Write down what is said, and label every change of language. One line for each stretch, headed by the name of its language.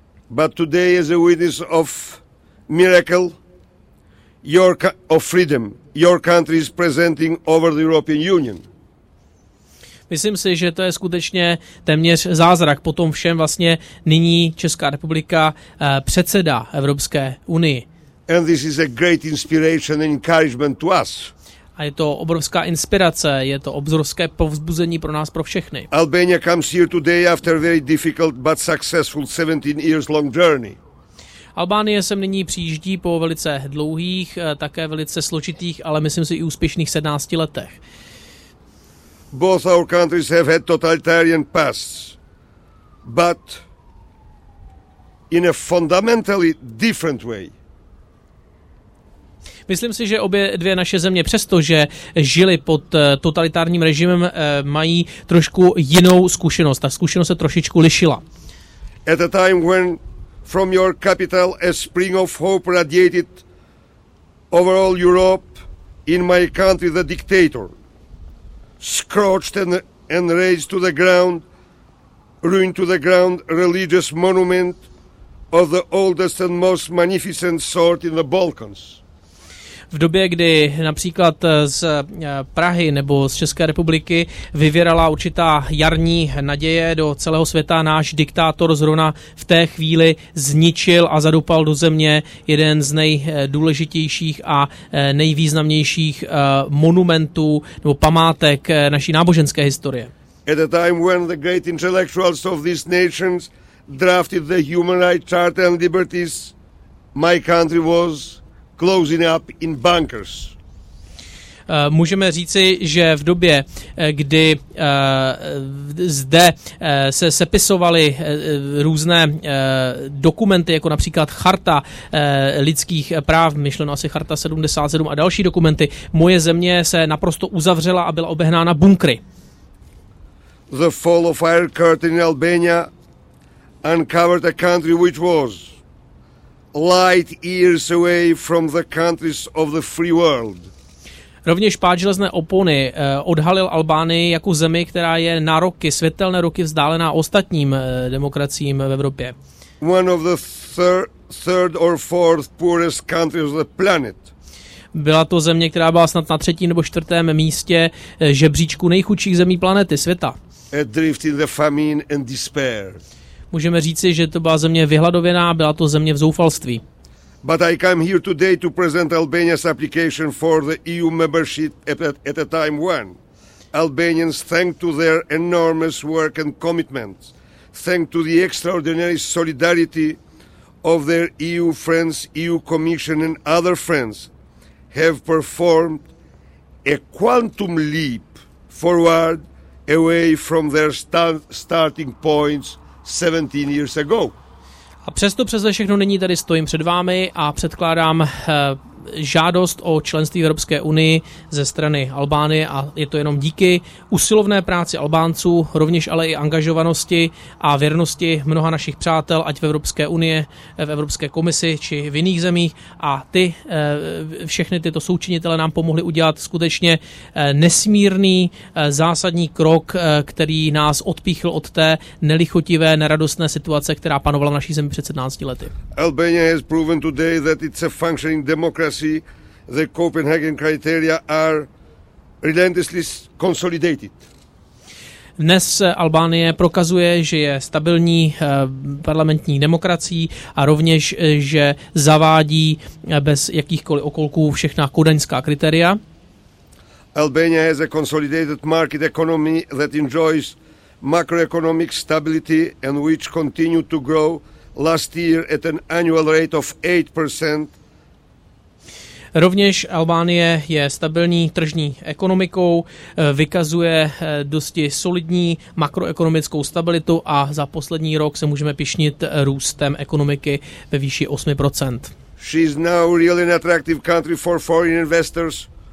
English: But today is a witness of miracle of freedom. Your country is presenting over the European Union.
Czech: Myslím si, že to je skutečně téměř zázrak. Po tom všem vlastně nyní Česká republika předsedá Evropské unii.
English: And this is a great inspiration and encouragement to us.
Czech: A je to obrovská inspirace, je to obrovské povzbuzení pro nás, pro všechny.
English: Albania comes here today after a very difficult but successful 17 years long journey.
Czech: Albánie sem nyní přijíždí po velice dlouhých, také velice složitých, ale myslím si i úspěšných 17 letech.
English: Both our countries have had totalitarian pasts, but in a fundamentally different way.
Czech: Myslím si, že obě dvě naše země, přestože žili pod totalitárním režimem, mají trošku jinou zkušenost. Ta zkušenost se trošičku lišila.
English: At a time when from your capital a spring of hope radiated over all Europe, in my country the dictator scorched and razed to the ground, ruined to the ground religious monument of the oldest and most magnificent sort in the Balkans.
Czech: V době, kdy například z Prahy nebo z České republiky vyvěrala určitá jarní naděje do celého světa, náš diktátor zrovna v té chvíli zničil a zadupal do země jeden z nejdůležitějších a nejvýznamnějších monumentů nebo památek naší náboženské historie.
English: At a time when the great intellectuals of these nations drafted the Human Rights Charter and Liberties, my country was closing up in bunkers.
Czech: Můžeme říci, že v době, kdy zde se sepisovaly různé dokumenty, jako například Charta lidských práv, myšleno asi Charta 77 a další dokumenty, moje země se naprosto uzavřela a byla obehnána bunkry.
English: The fall of Iron Curtain in Albania uncovered a country which was light years away from the countries of the free world.
Czech: Rovněž pád železné opony odhalil Albánii jako zemi, která je na roky, světelné roky vzdálená ostatním demokraciím v Evropě.
English: One of the third or fourth poorest countries of the planet.
Czech: Byla to země, která byla snad na třetím nebo čtvrtém místě žebříčku nejchudších zemí planety, světa.
English: Adrift in the famine and despair.
Czech: Můžeme říci, že to byla země vyhladovená, byla to země v zoufalství.
English: But I come here today to present Albania's application for the EU membership at a time when Albanians, thanks to their enormous work and commitment, thanks to the extraordinary solidarity of their EU friends, EU Commission and other friends, have performed a quantum leap forward away from their starting points 17 years ago.
Czech: A přesto přes všechno nyní tady stojím před vámi a předkládám žádost o členství v Evropské unii ze strany Albánie a je to jenom díky usilovné práci Albánců, rovněž ale i angažovanosti a věrnosti mnoha našich přátel, ať v Evropské unii, v Evropské komisi či v jiných zemích a ty všechny tyto součinitele nám pomohly udělat skutečně nesmírný zásadní krok, který nás odpíchl od té nelichotivé, neradostné situace, která panovala v naší zemi před 17 lety.
English: Albania has proven today that it's a functioning democracy. The Copenhagen criteria are relentlessly consolidated.
Czech: Dnes Albánie prokazuje, že je stabilní parlamentní demokracií a rovněž, že zavádí bez jakýchkoliv okolků všechna kodaňská kritéria.
English: Albania has a consolidated market economy that enjoys macroeconomic stability and which continued to grow last year at an annual rate of 8%.
Czech: Rovněž Albánie je stabilní tržní ekonomikou, vykazuje dosti solidní makroekonomickou stabilitu a za poslední rok se můžeme pyšnit růstem ekonomiky ve výši 8%.
English: She is now really an attractive country for foreign investors.